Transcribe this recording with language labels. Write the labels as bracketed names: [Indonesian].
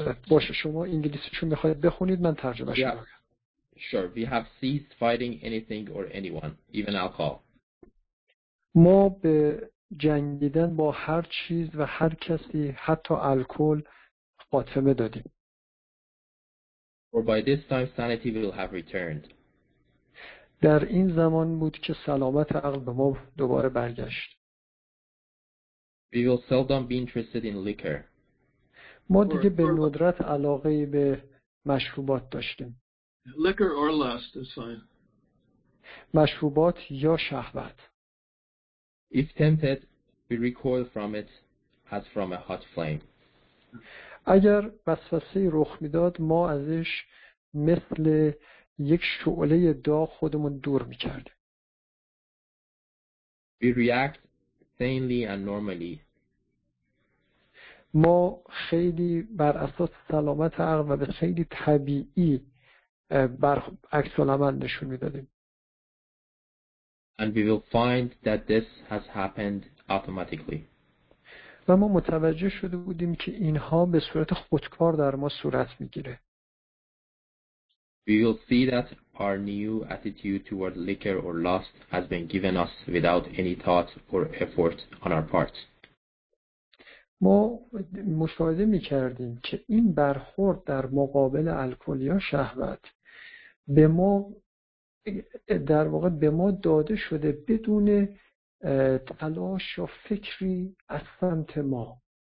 [Persian] باشه، شما انگلیسیشو میخواید بخونید، من ترجمهشو بکنم. [English] Sure, we have ceased fighting anything or anyone, even alcohol. [Persian] ما به جنگیدن با هر چیز و هر کسی حتی الکل خاتمه دادیم. [English] For by this time sanity will have returned. [Persian] در این زمان بود که سلامت عقل به ما دوباره برگشت. [English] We will seldom be interested in liquor. [Persian] ما دیگه به ندرت علاقه به مشروبات داشتیم. [English] Liquor or lust is fine. [Persian] مشروبات یا شهوت. [English] If tempted, we recoil from it as from a hot flame. [Persian] اگر وسوسه رخ میداد ما ازش مثل یک شعله داغ خودمون دور میکردیم. [English] We react sanely and normally. [Persian] ما خیلی بر اساس سلامت عقل و به خیلی طبیعی بر عکس العمل نشون میدادیم. [English] And we will find that this has happened automatically. [Persian] و ما متوجه شده بودیم که اینها به صورت خودکار در ما صورت میگیره. [English] We will see that our new attitude toward liquor or lust has been given us without any thought or effort on our part. [Persian] ما مشاهده میکردیم که این برخورد در مقابل الکل یا شهوت به ما در واقع به ما داده شده بدون تلاش و فکری از سمت ما.